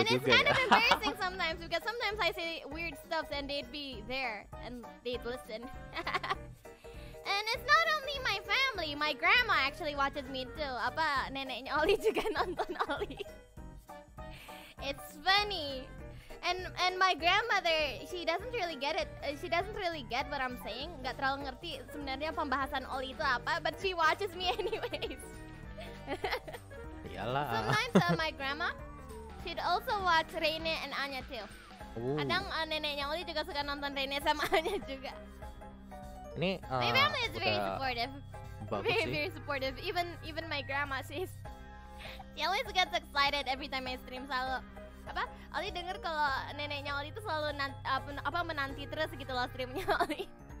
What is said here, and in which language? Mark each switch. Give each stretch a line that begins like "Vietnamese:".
English: And it's kind of embarrassing sometimes, because sometimes I say weird stuff and they'd be there and they'd listen. And it's not only my family, my grandma actually watches me too.
Indonesian: Apa neneknya Oli juga nonton Oli.
English: It's funny. And my grandmother, she doesn't really get it. She doesn't really get what I'm saying.
Indonesian: Gak terlalu ngerti sebenarnya pembahasan Oli itu apa,
English: but she watches me anyways.
Indonesian: Iyalah.
English: Sometimes my grandma, she'd also watch Rene and Anya too. Ooh.
Indonesian: Kadang neneknya Oli juga suka nonton Rene sama Anya juga. Ini
English: my family is very supportive. Very,
Indonesian: sih.
English: Very supportive. Even my grandma, she always gets excited every time I stream.
Indonesian: Selalu apa Oli dengar kalau neneknya Oli itu selalu menanti terus gitu loh streamnya Oli.